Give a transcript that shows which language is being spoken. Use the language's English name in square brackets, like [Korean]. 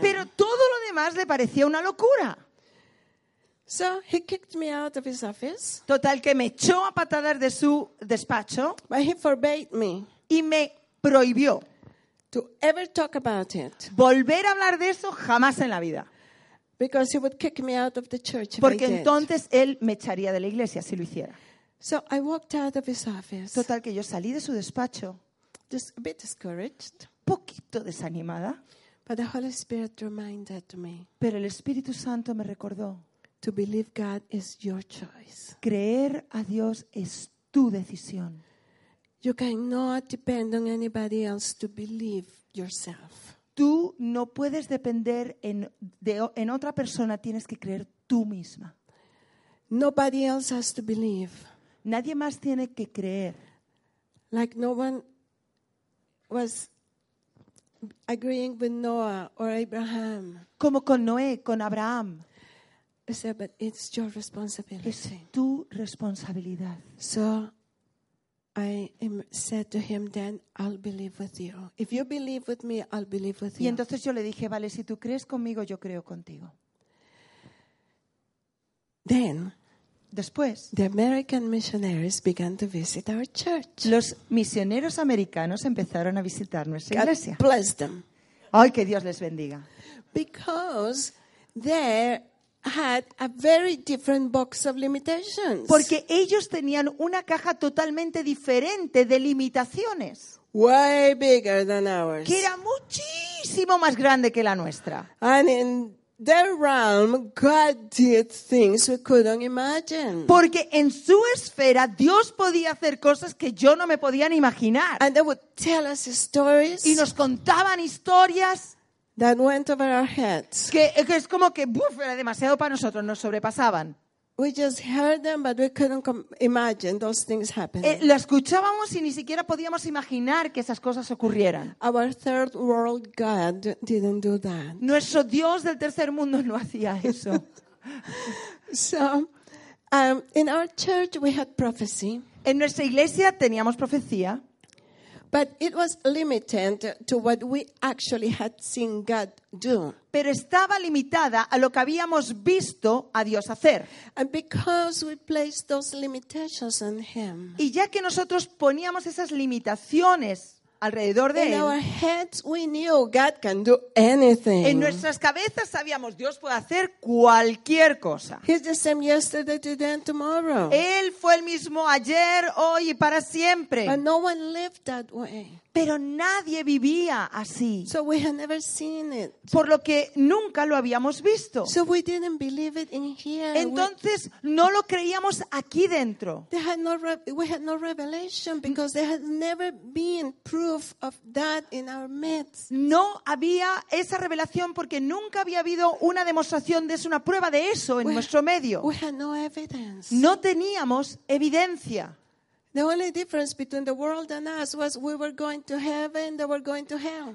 [Spanish] Pero todo lo demás le parecía una locura. [English] So he kicked me out of his office. [Spanish] Total que me echó a patadas de su despacho. [English] But he forbade me. [Spanish] Y me prohibió [English] to ever talk about it. [Spanish] Volver a hablar de eso jamás en la vida. [English] Because he would kick me out of the church. [Spanish] Porque entonces él me echaría de la iglesia si lo hiciera. [English] So I walked out of his office. [Spanish] Total que yo salí de su despacho. [English] Just a bit discouraged. [Spanish] Poquito desanimada. [English] But the Holy Spirit reminded me. [Spanish] Pero el Espíritu Santo me recordó. [English] To believe God is your choice. [Spanish] Creer a Dios es tu decisión. [English] You cannot depend on anybody else to believe yourself. [Spanish] Tú no puedes depender en otra persona, tienes que creer tú misma. [English] Nobody else has to believe. [Spanish] Nadie más tiene que creer. [English] Like no one was agreeing with Noah or Abraham. [Spanish] Como con Noé, con Abraham. [English] I said, but it's your responsibility. [Spanish] Es tu responsabilidad. [English] So I said to him, then I'll believe with you. If you believe with me, I'll believe with you. [Spanish] Y entonces yo le dije, vale, si tú crees conmigo, yo creo contigo. [English] Then, [Spanish] después, [English] the American missionaries began to visit our church. [Spanish] Los misioneros americanos empezaron a visitar nuestra iglesia. [English] God bless them. [Spanish] Ay, que Dios les bendiga. [English] Because there had a very different box of limitations. [Spanish] Porque ellos tenían una caja totalmente diferente de limitaciones. [English] Way bigger than ours. [Spanish] Que era muchísimo más grande que la nuestra. [English] And in their realm, God did things we couldn't imagine. [Spanish] Porque en su esfera Dios podía hacer cosas que yo no me podía ni imaginar. [English] And they would tell us stories. [Spanish] Y nos contaban historias. [English] That went over our heads. [Spanish] Que es como que buf, era demasiado para nosotros, nos sobrepasaban. [English] We just heard them, but we couldn't imagine those things happening. [Spanish] Lo escuchábamos y ni siquiera podíamos imaginar que esas cosas ocurrieran. [English] Our third world God didn't do that. [Spanish] Nuestro Dios del tercer mundo no hacía eso. [English] So, in our church we had prophecy. [Spanish] En nuestra iglesia teníamos profecía. [English] But it was limited to what we actually had seen God do. [Spanish] Pero estaba limitada a lo que habíamos visto a Dios hacer. [English] And because we placed those limitations on him. [Spanish] Y ya que nosotros poníamos esas limitaciones alrededor de [English] in [Spanish] él. [English] In our heads we knew God can do anything. [Spanish] En nuestras cabezas sabíamos Dios puede hacer cualquier cosa. [English] He's the same yesterday, today and tomorrow. [Spanish] Él fue el mismo ayer, hoy y para siempre. [English] But no one lived that way. [Spanish] Pero nadie vivía así. [English] So we had never seen it. [Spanish] Por lo que nunca lo habíamos visto. [English] So we didn't believe it in here. [Spanish] Entonces no lo creíamos aquí dentro. [English] They had no we had no revelation because there had never been proof of that in our midst. [Spanish] No había esa revelación porque nunca había habido una demostración de eso, una prueba de eso en nuestro medio. [English] We had no evidence. [Spanish] No teníamos evidencia. [English] The only difference between the world and us was we were going to heaven, they were going to hell.